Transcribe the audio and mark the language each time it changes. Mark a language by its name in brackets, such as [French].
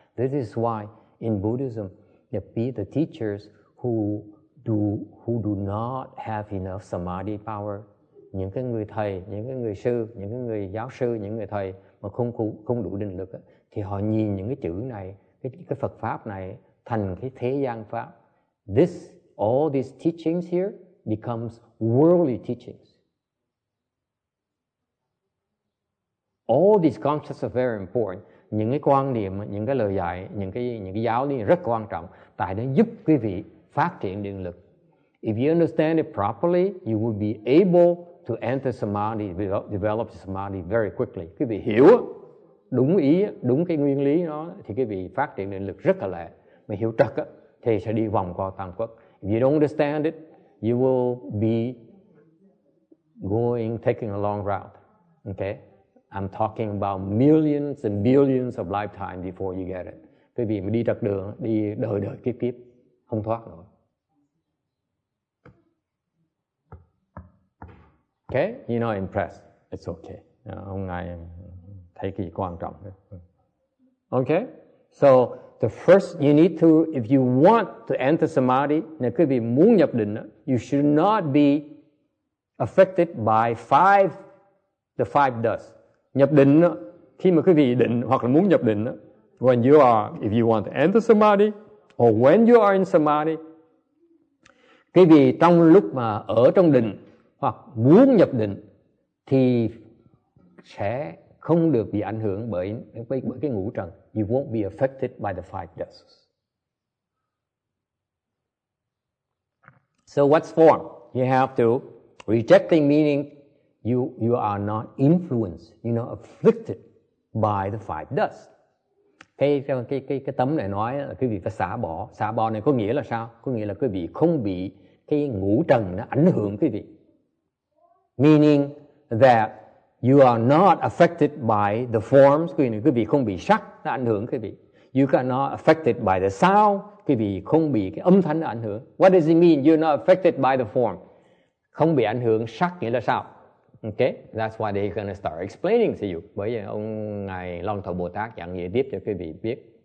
[English] This is why in Buddhism the teachers who do not have enough samadhi power, [Vietnamese] những cái người thầy, những cái người sư, những cái người giáo sư, những người thầy mà không đủ định lực, thì họ nhìn những cái chữ này, cái Phật pháp này thành cái thế gian pháp. [English] This all these teachings here becomes worldly teachings. All these concepts are very important. [Vietnamese] Những cái quan điểm, những cái lời dạy, những cái giáo lý rất quan trọng, tại nó giúp quý vị phát triển điện lực. [English] If you understand it properly, you will be able to enter samadhi, develop samadhi very quickly. [Vietnamese] Quý vị hiểu đúng ý, đúng cái nguyên lý nó, thì quý vị phát triển điện lực rất là lẹ. Mà hiểu trật á, thì sẽ đi vòng qua tam quốc. [English] If you don't understand it, you will be going, taking a long route. Okay? I'm talking about millions and billions of lifetime before you get it. [Vietnamese] Quý vị mà đi trật đường, đi đời đời kiếp kiếp, không thoát nữa. [English] Okay, you're not impressed. It's okay. [Vietnamese] Ông ngài thấy cái gì quan trọng. [English] Okay, so the first you need to, if you want to enter samadhi, [Vietnamese] nếu quý vị muốn nhập định, [English] you should not be affected by the five dust. [Vietnamese] Nhập định, khi mà quý vị định hoặc là muốn nhập định, [English] when you are, if you want to enter samadhi, or when you are in samadhi, [Vietnamese] quý vị trong lúc mà ở trong định hoặc muốn nhập định thì sẽ không được bị ảnh hưởng bởi cái ngũ trần. [English] You won't be affected by the five dusts. So what's form? You have to rejecting meaning you are not influenced, you're not afflicted by the five dusts. [Vietnamese] Cái tấm này nói là quý vị phải xả bỏ. Xả bỏ này có nghĩa là sao? Có nghĩa là quý vị không bị cái ngũ trần nó ảnh hưởng quý vị. [English] Meaning that you are not affected by the forms. [Vietnamese] Quý vị không bị sắc nó ảnh hưởng quý vị. You are not affected by the sound. Quý vị không bị cái âm thanh nó ảnh hưởng. [English] What does it mean? You're not affected by the form. [Vietnamese] Không bị ảnh hưởng sắc nghĩa là sao? [English] Okay, that's why they're going to start explaining to you. [Vietnamese] Bởi vì ông ngài Long Thọ Bồ Tát dặn giải tiếp cho quý vị biết.